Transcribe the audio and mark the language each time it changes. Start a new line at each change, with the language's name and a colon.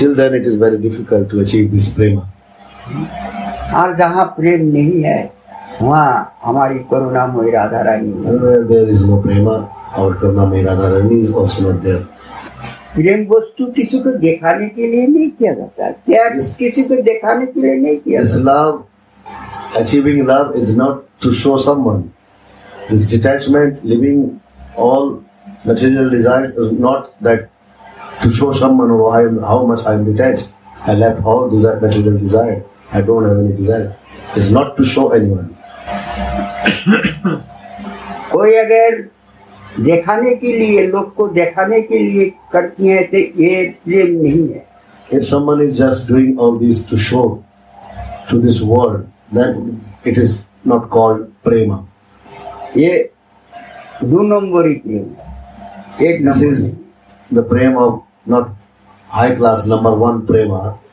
English: Till then it is very difficult to achieve this prema.
Hindi: और जहाँ प्रेम नहीं है वहाँ हमारी करुणा मोहि Radha Rani.
English: There is no prema, our karuna mohi radha rani is also not there.
Hindi: प्रेम वस्तु किसी को दिखाने के लिए नहीं किया जाता. त्याग किसी को दिखाने के लिए नहीं किया जाता.
English: This love, achieving love is not to show someone. This detachment, leaving all material desire is not that to show someone how much I am detached. I left all desire, material desire. I don't have any desire. It's not to show anyone.
Hindi: कोई अगर दिखाने के लिए लोग को दिखाने के लिए करती है तो ये प्रेम नहीं है.
English: If someone is just doing all this to show to this world, then it is not called prema.
Hindi: ये दो नंबरी प्रेम है. एक
English: this is the prema of not high class number one prema.